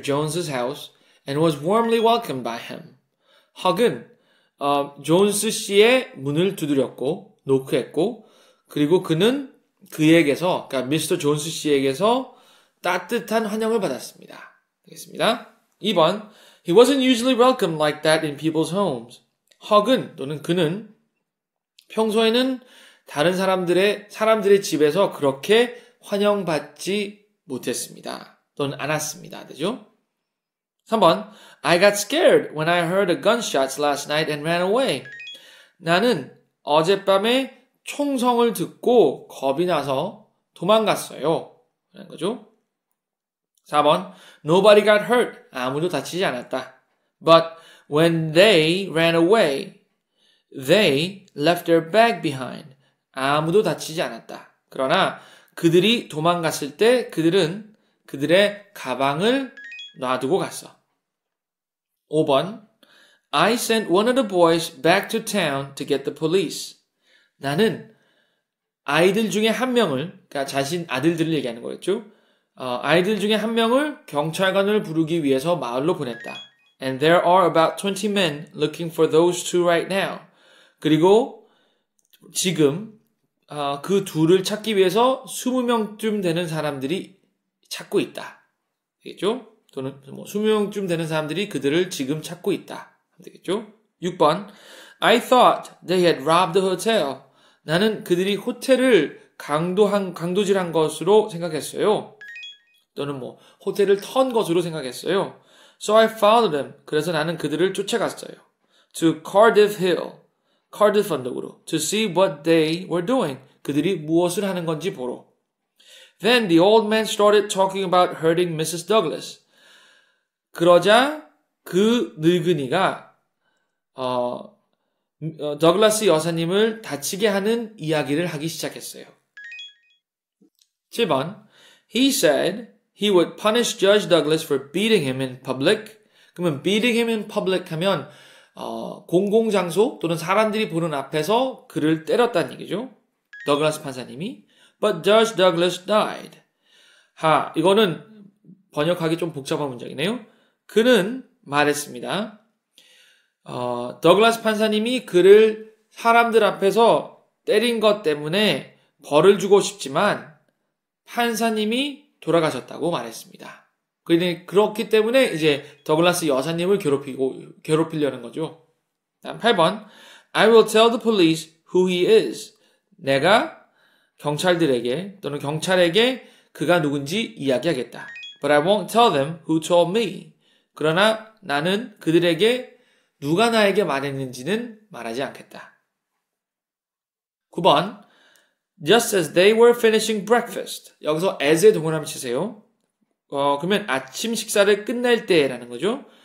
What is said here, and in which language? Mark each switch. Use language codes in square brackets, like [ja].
[en] Jones's house and was warmly welcomed by him. [ko] Huck은 존스 씨의 문을 두드렸고, 노크했고, 그리고 그는 그에게서, 그러니까 Mr. Jones 씨에게서 따뜻한 환영을 받았습니다. 알겠습니다. 2번. [en] He wasn't usually welcomed like that in people's homes. [ko] Huck은 또는 그는 평소에는 다른 사람들의 집에서 그렇게 환영받지 못했습니다. 또는 않았습니다. 되죠? 3번. [en] I got scared when I heard a gunshot last night and ran away. [ko] 나는 어젯밤에 총성을 듣고 겁이 나서 도망갔어요. 라는 거죠. 4번. [en] Nobody got hurt. [ko] 아무도 다치지 않았다. [en] But when they ran away, they left their bag behind. [ko] 아무도 다치지 않았다. 그러나 그들이 도망갔을 때 그들은 그들의 가방을 놔두고 갔어. 5번. [en] I sent one of the boys back to town to get the police. [ko] 나는 아이들 중에 한 명을, 그러니까 자신 아들들을 얘기하는 거겠죠. 아이들 중에 한 명을 경찰관을 부르기 위해서 마을로 보냈다. [en] And there are about 20 men looking for those two right now. [ko] 그리고 지금 그 둘을 찾기 위해서 20명쯤 되는 사람들이 찾고 있다. 되겠죠? 또는 뭐 20명쯤 되는 사람들이 그들을 지금 찾고 있다. 되겠죠? 6번. [en] I thought they had robbed the hotel. [ko] 나는 그들이 호텔을 강도질한 것으로 생각했어요. 또는 뭐 호텔을 턴 것으로 생각했어요. [en] So I followed them. [ko] 그래서 나는 그들을 쫓아갔어요. [en] To Cardiff Hill. [ko] Cardiff 언덕으로. [en] To see what they were doing. [ko] 그들이 무엇을 하는 건지 보러. [en] Then the old man started talking about hurting Mrs. Douglas. [ko] 그러자 그 늙은이가 더글라스 여사님을 다치게 하는 이야기를 하기 시작했어요. [en] 7번. He said he would punish Judge Douglas for beating him in public. [ko] 그러면 [en] beating him in public [ko] 하면 공공장소 또는 사람들이 보는 앞에서 그를 때렸다는 얘기죠. 더글라스 판사님이. [en] But Judge Douglas died. [ko] 하, 이거는 번역하기 좀 복잡한 문장이네요. 그는 말했습니다. 더글라스 판사님이 그를 사람들 앞에서 때린 것 때문에 벌을 주고 싶지만 판사님이 돌아가셨다고 말했습니다. 그렇기 때문에 이제 더글라스 여사님을 괴롭히려는 거죠. 8번. [en] I will tell the police who he is. [ko] 내가 경찰들에게 또는 경찰에게 그가 누군지 이야기하겠다. [en] But I won't tell them who told me. [ko] 그러나 나는 그들에게 누가 나에게 말했는지는 말하지 않겠다. [en] 9번. Just as they were finishing breakfast. [ko] 여기서 as에 동그라미 치세요. 그러면 아침 식사를 끝낼 때라는 거죠.